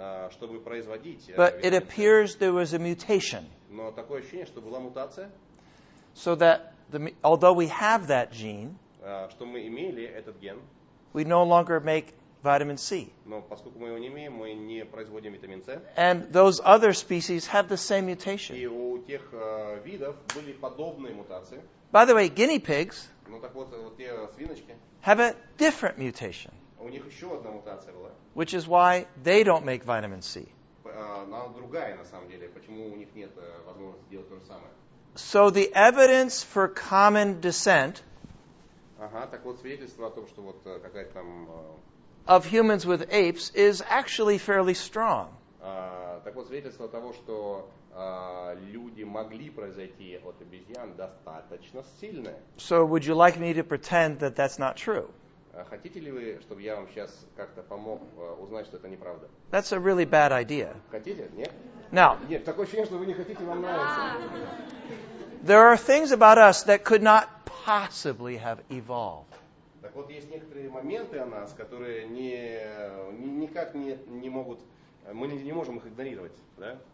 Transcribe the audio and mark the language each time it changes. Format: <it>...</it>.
<ru>чтобы производить,</ru> <en>but it appears there was a mutation.</en> <ru>Но такое ощущение, что была мутация.</ru> <en>So that although we have that gene,</en> <ru>что мы имели этот ген,</ru> <en>we no longer make vitamin C.</en> <ru>Но поскольку мы его не имеем, мы не производим витамин С.</ru> <en>And those other species have the same mutation.</en> <ru>И у тех видов были подобные мутации.</ru> <en>By the way, guinea pigs,</en> <ru>ну, так вот, вот те свиночки,</ru> <en>have a different mutation.</en> <ru>У них еще одна мутация была.</ru> <en>Which is why they don't make vitamin C.</en> <ru>она другая на самом деле. Почему у них нет возможности сделать то же самое?</ru> <en>So the evidence for common descent.</en> <ru>Ага, так вот свидетельство о том, что вот какая-то там.</ru> <en>Of humans with apes is actually fairly strong.</en> <ru>Так вот свидетельство того, что люди могли произойти от обезьян, достаточно сильное.</ru> <en>So would you like me to pretend that that's not true?</en> <ru>Хотите ли вы, чтобы я вам сейчас как-то помог узнать, что это неправда?</ru> <en>That's a really bad idea.</en> <ru>Хотите? Нет?</ru> <en>Now.</en> <ru>Нет, такое ощущение, что вы не хотите, вам нравится.</ru> <en>There are things about us that could not possibly have evolved.</en> <ru>Так вот, есть некоторые моменты о нас, которые никак не могут, мы не можем их игнорировать, да?</ru>